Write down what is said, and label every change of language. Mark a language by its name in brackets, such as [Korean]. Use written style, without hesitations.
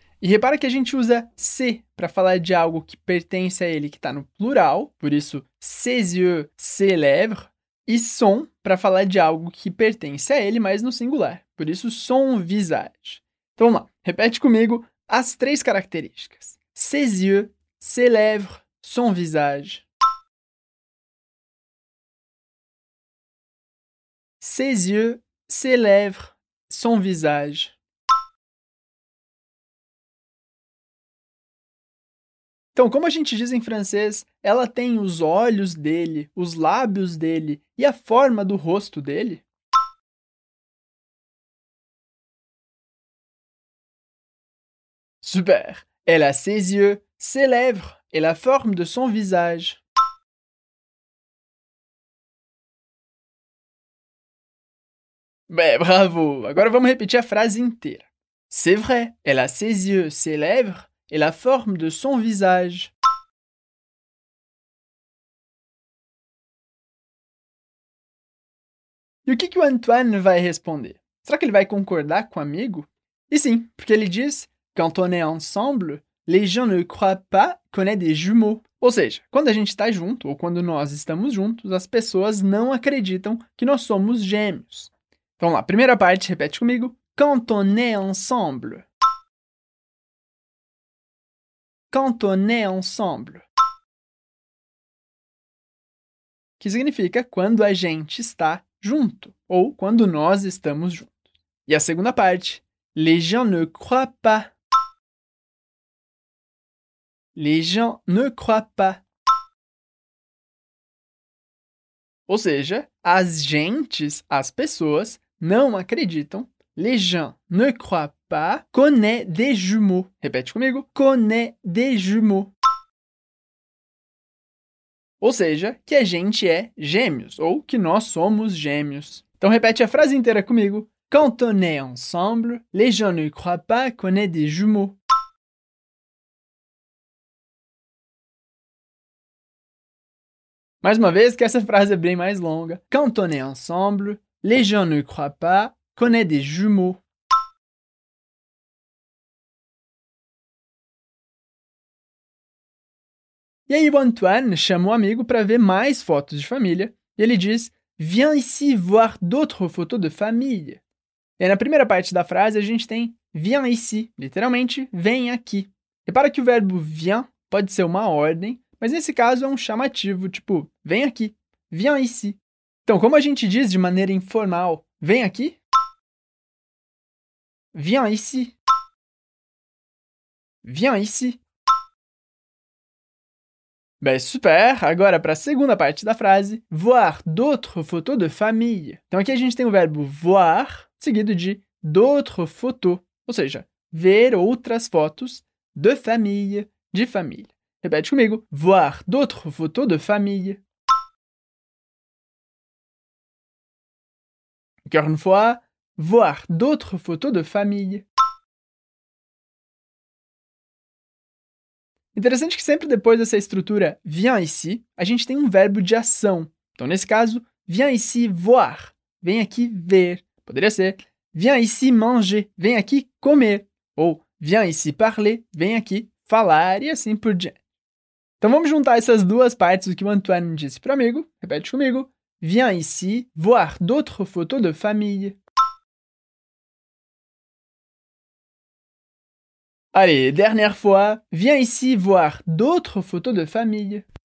[Portuguese] E repara que a gente usa se para falar de algo que pertence a ele, que está no plural, por isso [French] ses yeux, ses lèvres, [Portuguese] e son para falar de algo que pertence a ele, mas no singular, por isso [French] son visage. [Portuguese] Então vamos lá, repete comigo as três características: [French] ses yeux, ses lèvres, son visage. Ses yeux, ses lèvres, son visage. [Portuguese] Então, como a gente diz em francês, ela tem os olhos dele, os lábios dele e a forma do rosto dele? Super! [French] Elle a ses yeux, ses lèvres et la forme de son visage. [Portuguese] Bem, bravo! Agora vamos repetir a frase inteira. [French] C'est vrai, elle a ses yeux, ses lèvres et la forme de son visage. [Portuguese] E o que que o Antoine vai responder? Será que ele vai concordar com o amigo? E sim, porque ele diz: [French] quand on est ensemble, les gens ne croient pas qu'on est des jumeaux. [Portuguese] Ou seja, quando a gente está junto, ou quando nós estamos juntos, as pessoas não acreditam que nós somos gêmeos. Então, vamos lá, primeira parte, repete comigo. [French] Quand on est ensemble. Quand on est ensemble. Que significa quando a gente está junto, ou quando nós estamos juntos. [Portuguese] E a segunda parte. [French] Les gens ne croient pas. Les gens ne croient pas. [Portuguese] Ou seja, as gentes, as pessoas, não acreditam. [French] Les gens ne croient pas qu'on est des jumeaux. [Portuguese] Repete comigo. [French] Qu'on est des jumeaux. [Portuguese] Ou seja, que a gente é gêmeos, ou que nós somos gêmeos. Então repete a frase inteira comigo. [French] Quand on est ensemble, les gens ne croient pas qu'on est des jumeaux. [Portuguese] Mais uma vez, que essa frase é bem mais longa. [French] Quand on est ensemble, les gens ne croient pas qu'on est des jumeaux. [Portuguese] E aí o Antoine chama o amigo para ver mais fotos de família. E ele diz, [French] viens ici voir d'autres photos de famille. [Portuguese] E aí, na primeira parte da frase a gente tem [French] viens ici, [Portuguese] literalmente, vem aqui. Repara que o verbo viens pode ser uma ordem, mas nesse caso é um chamativo, tipo, vem aqui, [French] viens ici. [Portuguese] Então, como a gente diz de maneira informal, vem aqui? [French] Viens ici. Viens ici. [Portuguese] Bem, super! Agora, para a segunda parte da frase, [French] voir d'autres photos de famille. [Portuguese] Então, aqui a gente tem o verbo voir, seguido de [French] d'autres photos, [Portuguese] ou seja, ver outras fotos de famille, de família. Repete comigo, [French] voir d'autres photos de famille. Encore une fois, voir d'autres photos de famille. [Portuguese] Interessante que sempre depois dessa estrutura viens ici, a gente tem um verbo de ação. Então, nesse caso, [French] viens ici voir. [Portuguese] Vem aqui ver. Poderia ser [French] viens ici manger. [Portuguese] Vem aqui comer. [French] Ou viens ici parler. [Portuguese] Vem aqui falar. E assim por diante. Então, vamos juntar essas duas partes do que o Antoine disse para o amigo. Repete comigo. [French] Viens ici voir d'autres photos de famille. Allez, dernière fois. Viens ici voir d'autres photos de famille.